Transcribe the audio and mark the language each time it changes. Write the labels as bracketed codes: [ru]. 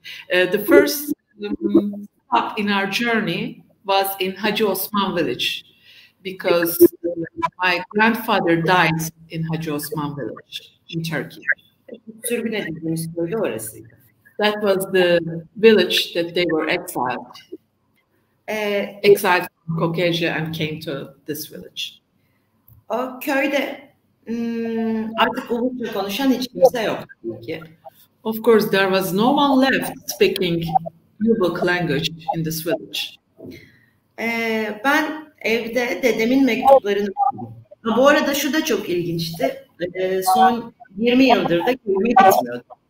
[en] The first stop in our journey was in Hacı Osman village because my grandfather died in Hacı Osman village in Turkey. [tr] Sürgün edildiğimiz köyde orasıydı. [en] That was the village that they were exiled. Exiled from Caucasia and came to this village. [tr] O köyde artık Ubykh'ta konuşan hiç kimse yoktu. [en] Of course, there was no one left speaking Ubykh language in this village. [tr] Ben evde dedemin mektuplarını... Bu arada şu da çok ilginçti. Son 20 yıldır da köyümü gitmiyordum.